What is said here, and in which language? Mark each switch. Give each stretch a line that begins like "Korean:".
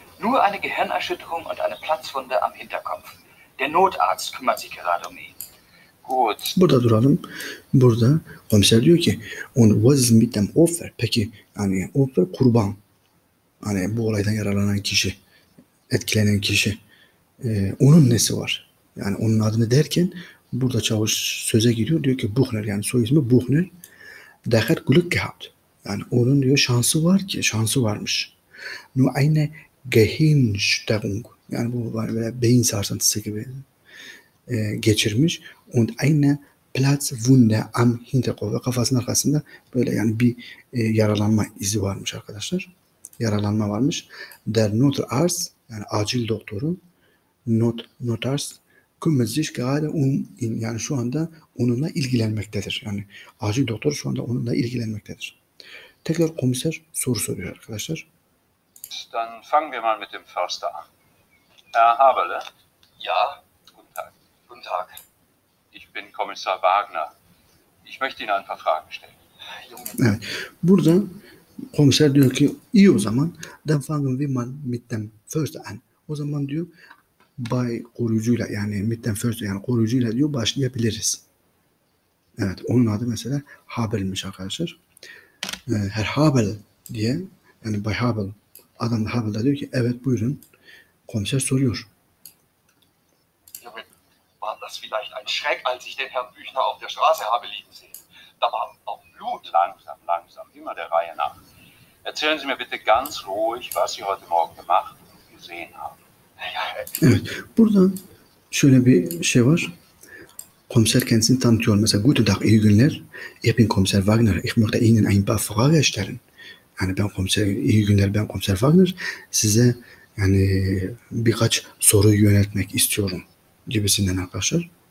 German: Nur eine Gehirnerschütterung und eine Platzwunde am Hinterkopf. Der Notarzt kümmert sich gerade um ihn. Gut.
Turkish: Burada duralım. Burada komiser diyor ki,
German: und was ist mit dem Opfer?
Turkish: Peki, yani Opfer kurban. Hani bu olaydan yaralanan kişi, etkilenen kişi. Onun nesi var? Yani onun adını derken, burada çavuş söze giriyor. Diyor ki, Buchner, yani soy ismi Buchner.
German: Der hat Glück gehabt.
Turkish: Yani onun diyor şansı var ki, şansı varmış. Nur eine Gehirnerschütterung. Yani bu var böyle beyin sarsıntısı gibi geçirmiş. Und eine Platzwunde am Hinterkopf. Kafasının arkasında böyle yani bir yaralanma izi varmış arkadaşlar. Yaralanma varmış.
German: Der Notarzt,
Turkish: yani acil doktoru. Notarzt,
German: kümmert sich gerade
Turkish: yani şu anda onunla ilgilenmektedir. Yani acil doktor şu anda onunla ilgilenmektedir. Tekrar komiser soru soruyor arkadaşlar.
German: Dann fangen wir mal mit dem Förster an. Herr Haberle. Ja, guten Tag. Guten Tag. Ich bin Kommissar Wagner. Ich möchte Ihnen ein paar Fragen stellen.
Turkish: Junge. Evet. Burada komiser diyor ki iyi o zaman.
German: Dann fangen wir mal mit dem Förster an.
Turkish: O zaman diyor bay koruyucuyla yani
German: mit dem Förster
Turkish: yani koruyucuyla diyor başlayabiliriz. Evet, onun adı mesela Haberlmiş arkadaşlar. Herr Habel diye yani Bay Habel. Adam Habel da diyor ki evet buyurun. Komiser soruyor.
German: War das vielleicht ein Schreck, als ich den Herrn Büchner auf der Straße habe liegen sehen? Da war auch Blut. Langsam, langsam, immer der Reihe nach. Erzählen Sie mir bitte ganz ruhig, was Sie heute Morgen gemacht und gesehen haben.
Turkish: Evet, burada şöyle bir şey var. Komiser kendisini tanıtıyor. Mesela
German: guten Tag,
Turkish: iyi günler.
German: Ich bin Kommissar Wagner. Ich möchte Ihnen ein paar Fragen stellen.
Turkish: Yani ben komiser, iyi günler, ben Kommissar Wagner. Size yani birkaç soru yöneltmek istiyorum gibisinden arkadaşlar.